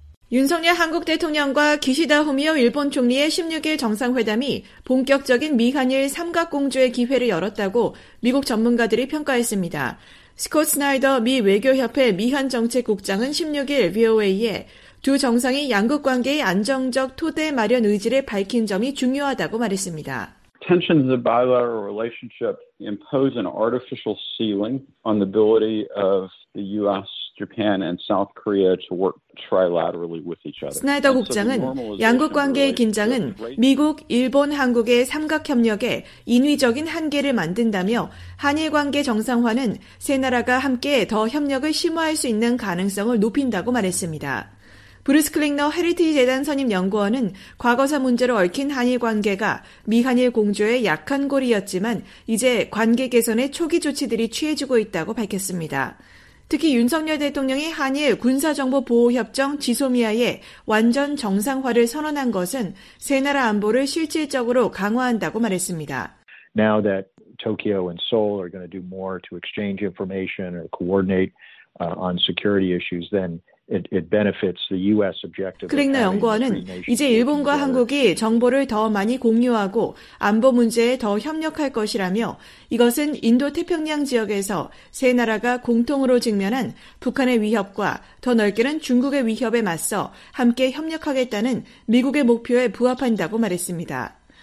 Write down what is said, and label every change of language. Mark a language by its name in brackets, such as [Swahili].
[Korean] 윤석열 한국 대통령과 기시다 후미오 일본 총리의 16일 정상회담이 본격적인 미한일 삼각공조의 기회를 열었다고 미국 전문가들이 평가했습니다. 스콧 스나이더 미 외교협회 미한정책국장은 16일 VOA에 두 정상이 양국 관계의 안정적 토대 마련 의지를 밝힌 점이 중요하다고 말했습니다. [English] Tensions of bilateral relationships impose an artificial ceiling on the ability of the U.S., Japan, and South Korea to work trilaterally with each other. [Korean] 스나이더 국장은 양국 관계의 긴장은 미국, 일본, 한국의 삼각 협력에 인위적인 한계를 만든다며 한일 관계 정상화는 세 나라가 함께 더 협력을 심화할 수 있는 가능성을 높인다고 말했습니다. 브루스 클링너 헤리티지 재단 선임 연구원은 과거사 문제로 얽힌 한일 관계가 미한일 공조의 약한 고리였지만 이제 관계 개선의 초기 조치들이 취해지고 있다고 밝혔습니다. 특히 윤석열 대통령이 한일 군사정보보호협정 지소미아의 완전 정상화를 선언한 것은 세 나라 안보를 실질적으로 강화한다고 말했습니다. [English] Now that Tokyo and Seoul are going to do more to exchange information or coordinate on security issues, then it benefits the U.S. objective. [Korean] 그릭나 연구원은 이제 일본과 한국이 정보를 더 많이 공유하고 안보 문제에 더 협력할 것이라며 이것은 인도태평양 지역에서 세 나라가 공통으로 직면한 북한의 위협과 더 넓게는 중국의 위협에 맞서 함께 협력하겠다는 미국의 목표에 부합한다고 말했습니다.